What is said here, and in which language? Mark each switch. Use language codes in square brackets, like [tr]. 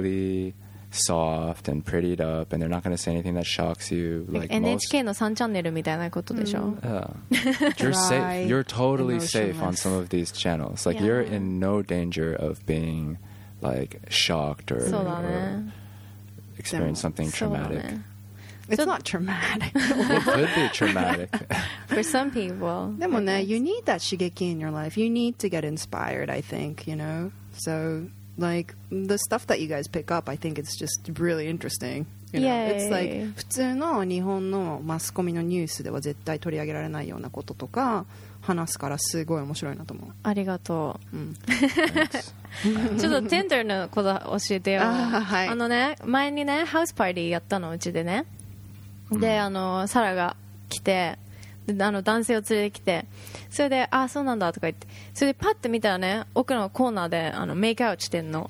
[en] Really soft and prettied up and they're not going to say anything that shocks you. Like [ja] NHK の3チャンネルみたいなことでしょ? [en] Mm. Yeah. You're safe. You're totally safe on some of these channels. Like、 yeah. you're in no danger of being like shocked or, [ja] そうだね。 [en] or experience something traumatic. It's not traumatic. It could be traumatic. For some people. [ja] でもね、 [en] you need that 刺激 in your life. You need to get inspired, I think, you know? So... Like, the stuff that you guys pick up, I think it's just really interesting. You know? It's like, [ja] 普通の日本のマスコミのニュースでは絶対取り上げられないようなこととか話すからすごい面白いなと思う。ありがとう。うん、ちょっと Tinder のこと教えてよ。あ、はい。あのね、前にね、ハウスパーティーやったの、うちでね。で、あの、サラが来て、あの男性を連れてきてそれでああそうなんだとか言ってそれでパッて見たらね奥のコーナーであのメイクアウトしてんの